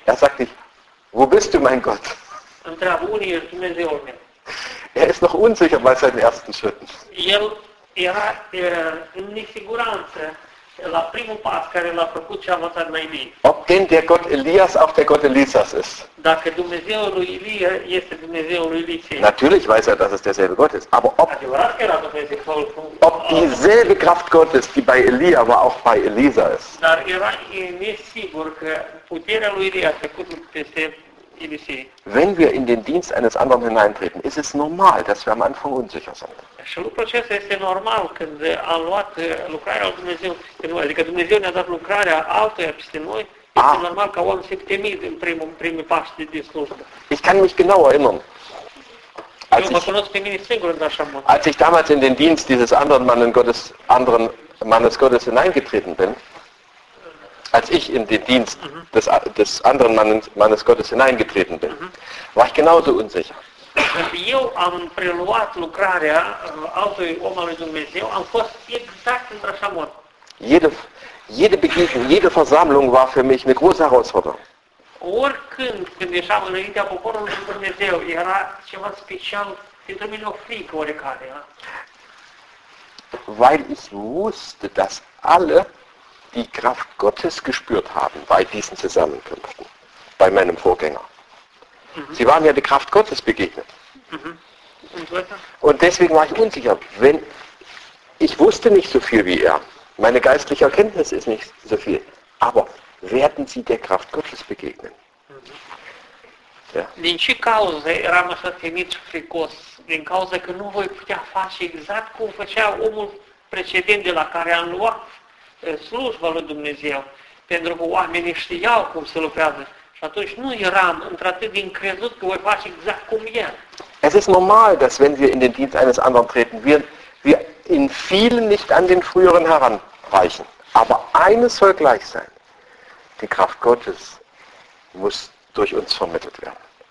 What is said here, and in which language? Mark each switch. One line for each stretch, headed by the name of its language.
German: Er sagt nicht, wo bist du, mein Gott?
Romanian: Întreabă, unde e Dumnezeul meu?
German: Er ist noch unsicher bei seinen ersten Schritten.
Romanian: El era în nesiguranță la primul pas care l-a făcut și a învățat la Ilie.
German: Ob denn der Gott Elias auch der Gott Elisas ist?
Romanian: Dacă Dumnezeul lui Ilie este Dumnezeul lui Ilie.
German: Natürlich weiß er, dass es derselbe Gott ist. Aber ob dieselbe Kraft Gottes, die bei Elia war, auch bei Elisa ist.
Romanian: Dar era nesigur că puterea lui Ilie a trecut peste Elisei.
German: Wenn wir in den Dienst eines anderen hineintreten, ist es normal, dass wir am Anfang unsicher sind.
Romanian: Și lucrul acesta este normal când a luat lucrarea lui Dumnezeu peste noi. Adică Dumnezeu ne-a dat lucrarea altuia peste noi. Este normal ca oamenii să-i temid în primul pas de slujbă.
German: Ich kann mich genau erinnern.
Romanian: Eu mă cunosc pe mine singur în așa mod.
German: Als ich damals in den Dienst dieses anderen Mannes Gottes hineingetreten bin, als ich in den Dienst des anderen Mannes Gottes hineingetreten bin, war ich genauso unsicher.
Romanian: Eu am preluat lucrarea altui om al lui Dumnezeu, am fost exact într-așa mod.
German: Jede Begegnung, jede Versammlung war für mich eine große Herausforderung.
Romanian: Oricând ieșeam înaintea poporului lui Dumnezeu, era ceva special, pentru mine o frică oricare.
German: Weil ich wusste, dass alle die Kraft Gottes gespürt haben bei diesen Zusammenkünften, bei meinem Vorgänger. Sie waren ja der Kraft Gottes begegnet. Und deswegen war ich unsicher. Wenn ich wusste nicht so viel wie er. Meine geistliche Erkenntnis ist nicht so viel. Aber werden Sie der Kraft Gottes begegnen?
Romanian: Din ce cauză eram așa temit și fricos? Din cauza că nu voi putea face exact cum făcea omul precedent de la care am luat slujba lui Dumnezeu. Pentru că oamenii știau cum se lucrează. Și atunci nu eram într-atât de încrezut că voi face exact cum el.
German: Es ist normal, dass wenn wir in den Dienst eines anderen treten, wir in vielen nicht an den früheren heranreichen. Aber eines soll gleich sein. Die Kraft Gottes muss durch uns vermittelt werden.